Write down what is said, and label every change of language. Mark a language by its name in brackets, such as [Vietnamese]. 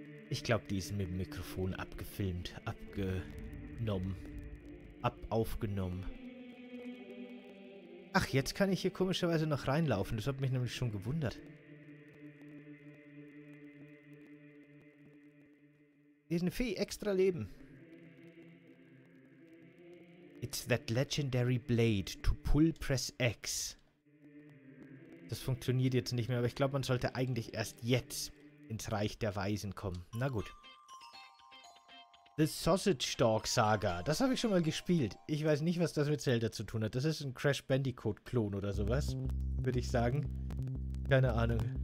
[German] Ich glaube, die ist mit dem Mikrofon abgefilmt, abgenommen, abaufgenommen. Ach, jetzt kann ich hier komischerweise noch reinlaufen. Das hat mich nämlich schon gewundert. Hier ist eine Fee, extra Leben. [English] It's that legendary blade to pull press X. [German] Das funktioniert jetzt nicht mehr, aber ich glaube, man sollte eigentlich erst jetzt ins Reich der Weisen kommen. Na gut. The Sausage Dog Saga. Das habe ich schon mal gespielt. Ich weiß nicht, was das mit Zelda zu tun hat. Das ist ein Crash Bandicoot-Klon oder sowas, würde ich sagen. Keine Ahnung.